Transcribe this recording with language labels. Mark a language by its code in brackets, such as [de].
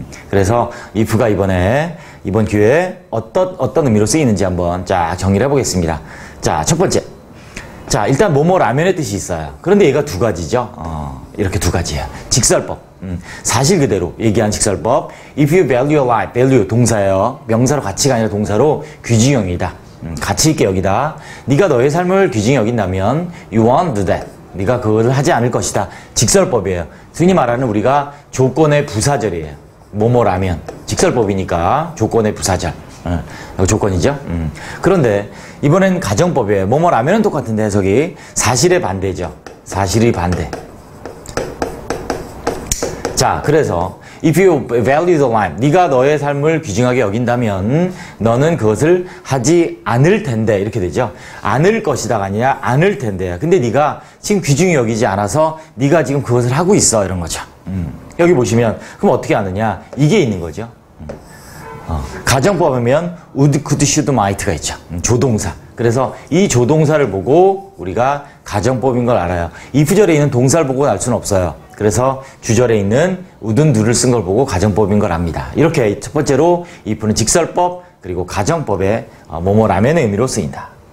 [ko] 그래서 if가 이번 기회에 어떤 의미로 쓰이는지 한번 쫙 정리를 해 보겠습니다. 자, 첫 번째. 자, 일단 뭐뭐 라면의 뜻이 있어요. 그런데 얘가 두 가지죠. 이렇게 두 가지예요. 직설법. 사실 그대로 얘기한 직설법. [en] If you value your life, value [ko] 동사예요. 명사로 가치가 아니라 동사로 귀중형이다. 가치 있게 여기다. 네가 너의 삶을 귀중히 여긴다면 [en] you won't do that. [ko] 네가 그걸 하지 않을 것이다. 직설법이에요. 흔히 말하는 우리가 조건의 부사절이에요. 뭐뭐 라면. 직설법이니까 조건의 부사절. 조건이죠. 그런데 이번엔 가정법이에요. 뭐뭐 라면은 똑같은데 해석이 사실의 반대죠. 사실의 반대. 자, 그래서 [en] if you value the life, [ko] 네가 너의 삶을 귀중하게 여긴다면 너는 그것을 하지 않을 텐데, 이렇게 되죠. 않을 것이다가 아니라 않을 텐데요. 근데 네가 지금 귀중히 여기지 않아서 네가 지금 그것을 하고 있어, 이런 거죠. 여기 보시면 그럼 어떻게 아느냐, 이게 있는 거죠. 가정법이면 would, could, should, might가 있죠. 조동사. 그래서 이 조동사를 보고 우리가 가정법인 걸 알아요. if절에 있는 동사를 보고는 알 수는 없어요. 그래서 주절에 있는 would은 do를 쓴 걸 보고 가정법인 걸 압니다. 이렇게 첫 번째로 if는 직설법, 그리고 가정법에 뭐뭐라면의 의미로 쓰인다.